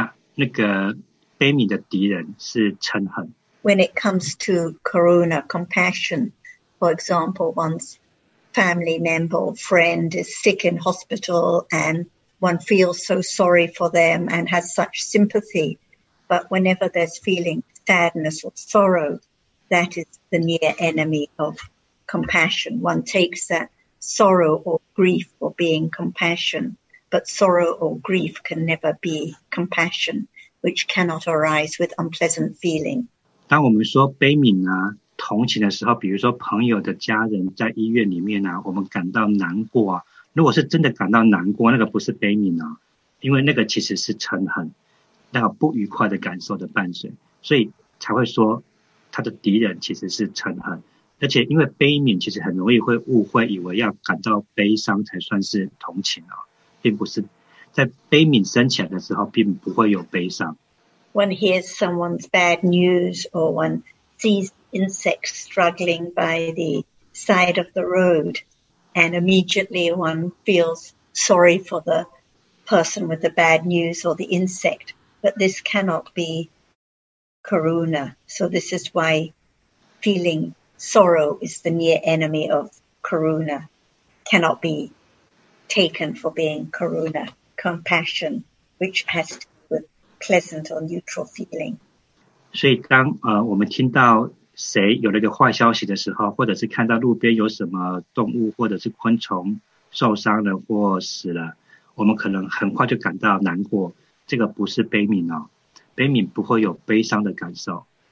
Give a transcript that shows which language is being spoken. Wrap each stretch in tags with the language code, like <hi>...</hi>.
<zh>所以就是喜的敌人是贪爱，那那个悲悯的敌人是嗔恨。</zh> <en>When it comes to karuna, compassion, for example, one's family member, friend is sick in hospital and one feels so sorry for them and has such sympathy. But whenever there's feeling sadness or sorrow, that is the near enemy of compassion. One takes that sorrow or grief for being compassion, but sorrow or grief can never be compassion, which cannot arise with unpleasant feeling.</en> <zh>当我们说悲悯啊, 同情的时候，比如说朋友的家人在医院里面啊，我们感到难过啊。如果是真的感到难过，那个不是悲悯啊，因为那个其实是嗔恨，那个不愉快的感受的伴随。所以才会说他的敌人其实是嗔恨。而且因为悲悯其实很容易会误会，以为要感到悲伤才算是同情啊，并不是在悲悯升起来的时候，并不会有悲伤。</zh> <en>One hears someone's bad news or one sees insects struggling by the side of the road, and immediately one feels sorry for the person with the bad news or the insect. But this cannot be karuna. So this is why feeling sorrow is the near enemy of karuna, cannot be taken for being karuna, compassion, which has to be with pleasant or neutral feeling.</en> <zh>所以当我们听到谁有了一个坏消息的时候，或者是看到路边有什么动物或者是昆虫受伤了或死了，我们可能很快就感到难过，这个不是悲悯哦，悲悯不会有悲伤的感受。</zh>